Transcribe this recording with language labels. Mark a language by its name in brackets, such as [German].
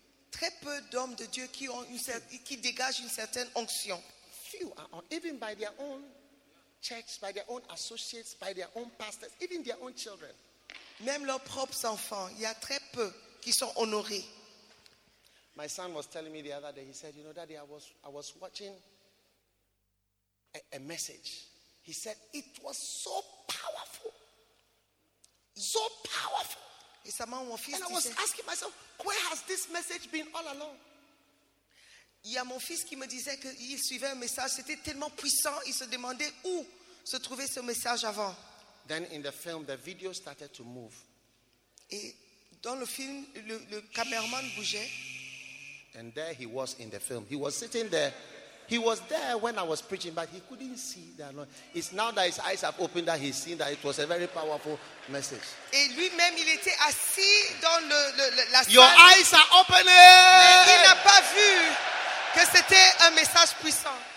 [French] Très peu d'hommes de Dieu qui ont une qui dégagent une certaine onction. [English] Few are even by their own church, by their own associates, by their own pastors, even their own children. [French] Même leurs propres enfants, il y a très peu qui sont honorés. [English] My son was telling me the other day, he said, you know, Daddy, I was watching a message. He said, it was so powerful. So powerful. [French] Et sa maman, mon fils, [English] and I was asking myself, where has this message been all along? [French] Il y a mon fils qui me disait qu'il suivait un message. C'était tellement puissant, il se demandait où se trouvait ce message avant. [English] Then in the film, the video started to move. [French] Et dans le film, le caméraman bougeait. [English] And there he was in the film. He was sitting there. He was there when I was preaching, but he couldn't see the anointing. It's now that his eyes have opened that he's seen that it was a very powerful message. [French] Et lui-même, il était assis dans la salle. [English] Your eyes are opening. [French] Mais il n'a pas vu que c'était un message puissant.